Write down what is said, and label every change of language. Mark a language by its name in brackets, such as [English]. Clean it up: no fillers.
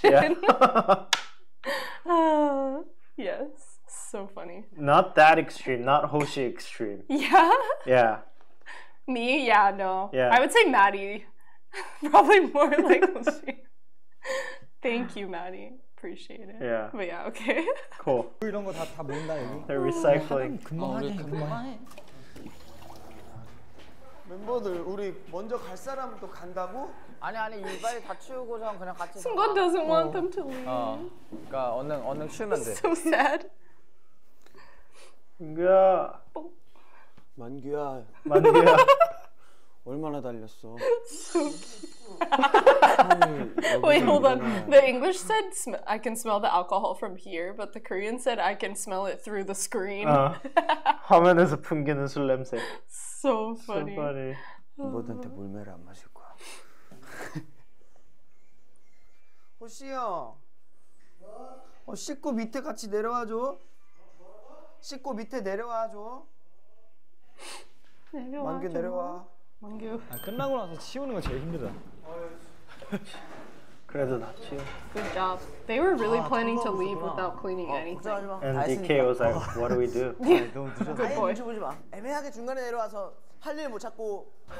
[English] Yeah. yes. So funny. Not that extreme. Not Hoshi extreme. Yeah. Yeah. Me? Yeah, no. Yeah. I would say Maddie. Probably more like Hoshi. Thank you, Maddie. appreciate it. Yeah. But yeah, okay. Cool. [Korean] 이런 거 다 다 모인다 여기. [English] They're recycling. [Korean] 금방 해. 멤버들 우리 먼저 갈 사람 또 간다고? 아니 아니 이 빨리 다 치우고선 그냥 같이. [English] 승관 doesn't want them to leave. [Korean] 그러니까 언능 치우면 돼. [English] So sad. [Korean] 민규야. 만규야. 만규야. 얼마나 달렸어? [English] Wait, hold on. The English said I can smell the alcohol from here, but the Korean said I can smell it through the screen. [Korean] 화면에서 풍기는 술 냄새. [English] So funny. So funny. [Korean] 멤버들한테 물매를 안 마실 거야. 호시 형. 어 씻고 밑에 같이 내려와 줘. 씻고 밑에 내려와 줘. 내려와. 만규 내려와. 만규. 아 끝나고 나서 치우는 거 제일 힘들다. 그래도 낫지. [English] Good job. They were really planning to leave without cleaning anything. And DK was like, "What do we do?" Good boy. [Korean] 주무지 마. 애매하게 중간에 내려와서 할 일 못 찾고.